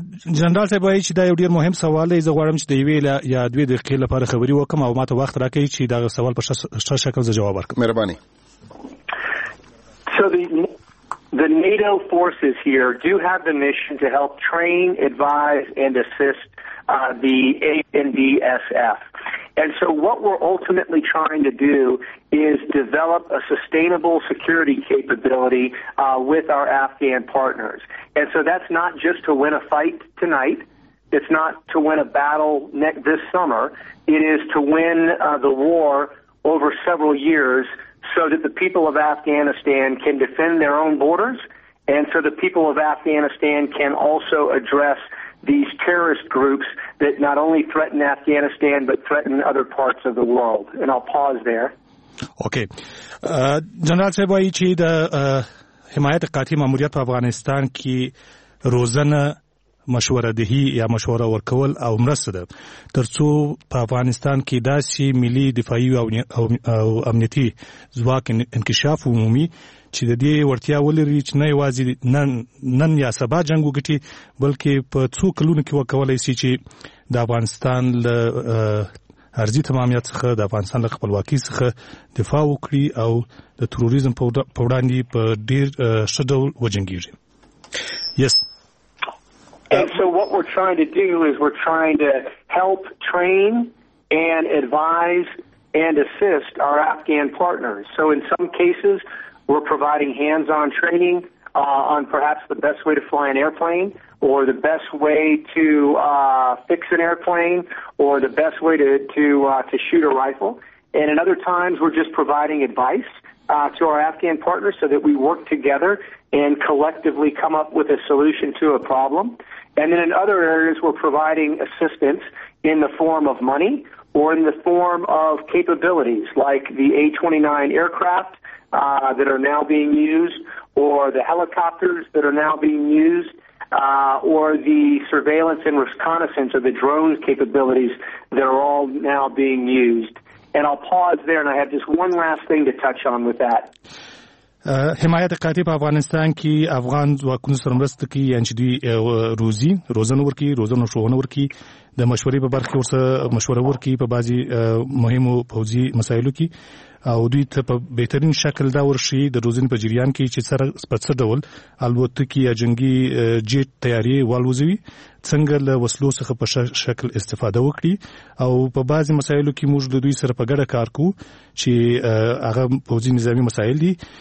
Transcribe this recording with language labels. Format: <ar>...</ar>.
<ps>جنرال صاحب وایي چې دا یو ډېر مهم سوال دی. زه غواړم چې د یوې یا دوې دقیقې لپاره خبرې وکړم او ماته وخت راکړئ چې دغه سوال په ښه شکل زه جواب ورکړم. مهرباني.</ps> <en>The NATO forces here do have the mission to help train, advise, and assist the ANDSF. And so what we're ultimately trying to do is develop a sustainable security capability with our Afghan partners. And so that's not just to win a fight tonight. It's not to win a battle this summer. It is to win the war over several years, so that the people of Afghanistan can defend their own borders, and so the people of Afghanistan can also address these terrorist groups that not only threaten Afghanistan but threaten other parts of the world. And I'll pause there. Okay.</en> <ps>General صاحب وایي چې د حمایت قاطع ماموریت په افغانستان کې روزنه، مشوره دهی یا مشوره ورکول او مرسته ده ترڅو په افغانستان کې داسې ملي دفاعي او امنیتي ځواک انکشاف ومومي چې د دې وړتیا ولري چې نه یوازې نن یا سبا جنگ وګټي، بلکې په څو کلونو کې وکولای شي چې د افغانستان له ارضي تمامیت څخه، د افغانستان له خپلواکۍ څخه دفاع وکړي او د تروریزم په وړاندې په ډېر ښه ډول وجنګیږي.</ps> <en>Yes. And so what we're trying to do is we're trying to help train and advise and assist our Afghan partners. So in some cases, we're providing hands-on training on perhaps the best way to fly an airplane, or the best way to fix an airplane, or the best way to shoot a rifle. And in other times, we're just providing advice to our Afghan partners so that we work together and collectively come up with a solution to a problem. And then in other areas, we're providing assistance in the form of money or in the form of capabilities like the A-29 aircraft that are now being used, or the helicopters that are now being used or the surveillance and reconnaissance or the drone capabilities that are all now being used. And I'll pause there, and I have just one last thing to touch on with that.</en> <ps>حمایت قاطع په افغانستان کې افغان ځواکونو سره مرسته کوي، یعنې چې دوی روزي روزنه ورکوي، روزنه ښوونه ورکوي، د مشورې په برخه کې ورسره مشوره ورکوي په بعضې مهمو پوځي مسایلو کې، او دوی ته په بهترین شکل دا ورښیي د روزنې په جریان کې چې سره په څه ډول الوتکې یا جنګي جیټ تیاری والوزوي، څنګه له وسلو څخه په شکل استفاده وکړي، او په بعضې مسایلو کې موږ له دوی سره په ګډه کار کوو چې هغه پوځي نظامي مسایل دي.</ps>